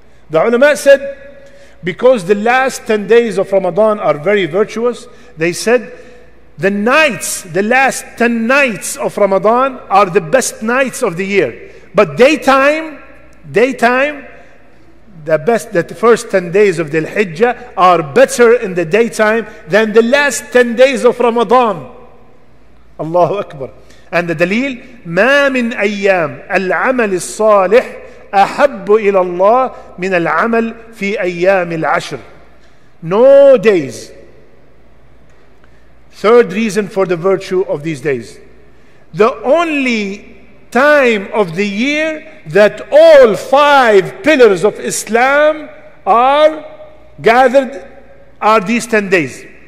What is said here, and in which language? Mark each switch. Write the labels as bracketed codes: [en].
[en] The ulama said, because the last 10 days of Ramadan are very virtuous, they said the nights, the last 10 nights of Ramadan are the best nights of the year. But daytime, daytime, the best, that the first 10 days of the Hijjah are better in the daytime than the last 10 days of Ramadan. Allahu Akbar. And the dalil, [ar] ما من أيام العمل الصالح أحب إلى الله من العمل في أيام العشر. [en] No days. Third reason for the virtue of these days. The only time of the year that all five pillars of Islam are gathered are these 10 days.